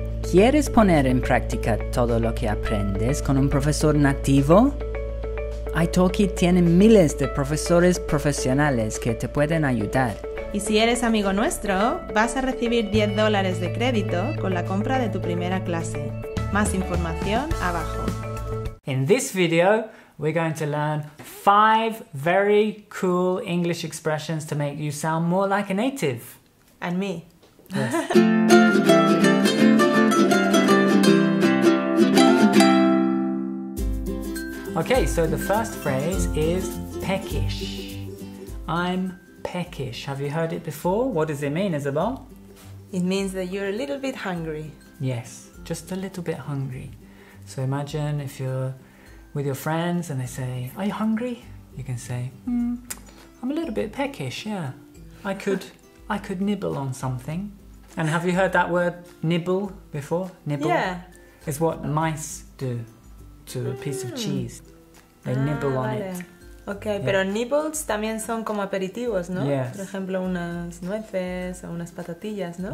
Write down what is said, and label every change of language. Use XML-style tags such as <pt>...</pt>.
<es>¿Quieres poner en práctica todo lo que aprendes con un profesor nativo? Italki tiene miles de profesores profesionales que te pueden ayudar. Y si eres amigo nuestro, vas a recibir $10 de crédito con la compra de tu primera clase. Más información abajo.</es> <en>In this video, we're going to learn 5 very cool English expressions to make you sound more like a native. And me. Okay, so the first phrase is peckish. I'm peckish. Have you heard it before? What does it mean, Isabel? It means that you're a little bit hungry. Yes, just a little bit hungry. So imagine if you're with your friends and they say, are you hungry? You can say, I'm a little bit peckish, yeah. I could nibble on something. And have you heard that word nibble before? Nibble? Yeah. It's what mice do to a piece of cheese. They nibble on it. Okay, yeah.</en> <es>Pero nibbles también son como aperitivos, ¿no?</es> <en>Yes.</en> <es>Por ejemplo, unas nueces o unas patatillas, ¿no?</es>